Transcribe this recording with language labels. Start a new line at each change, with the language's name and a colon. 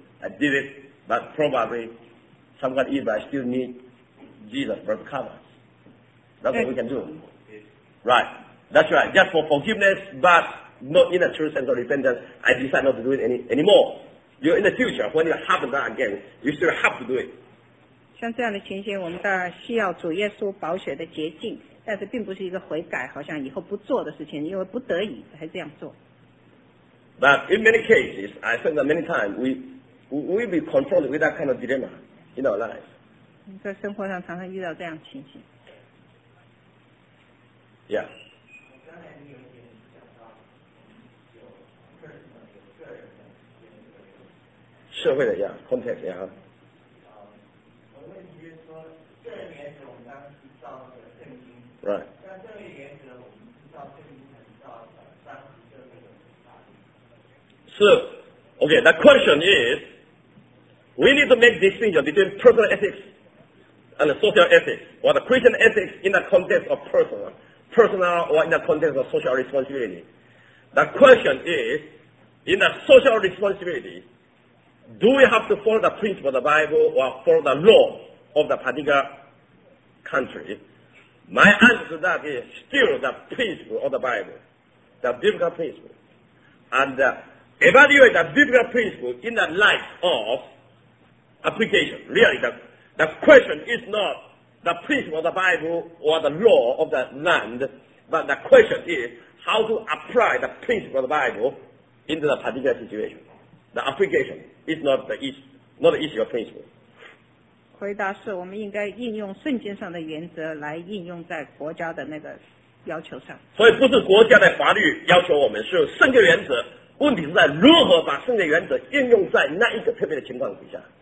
English: I did it, but probably some God is, but I still need Jesus' blood to cover. That's what we can do. Right. That's right. Just for forgiveness, but not in a true sense of repentance, I decide not to do it anymore. You're in the future, when you have that again, you still have to do it.
Chinese: 像这样的情形，我们当然需要主耶稣宝血的洁净，但是并不是一个悔改，好像以后不做的事情，因为不得已才这样做。
English: But in many cases, I think that many times we be confronted with that kind of dilemma in our lives.
Chinese: 在生活上常常遇到这样的情形。
English: Yeah.
Chinese: 社会的呀 ，context 呀。我的问题就是说，这个原则我们当时知道的圣经。
English: Right。
Chinese: 那这个原则我们知道圣经很早的，当时就那个法律。是 ，Okay.
English: The question is, we need to make distinction between personal ethics and social ethics, or the Christian ethics in the context of personal, or in the context of social responsibility. The question is, in the social responsibility. Do we have to follow the principle of the Bible or follow the law of the particular country? My answer to that is still the principle of the Bible, the biblical principle. And evaluate the biblical principle in the light of application. Really, the question is not the principle of the Bible or the law of the land, but the question is how to apply the principle of the Bible into the particular situation. The application is not the issue, not the issue of principle.
Chinese: 回答是我们应该应用圣经上的原则来应用在国家的那个要求上。所以不是国家的法律要求我们，是圣经原则。问题是在如何把圣经原则应用在那一个特别的情况底下。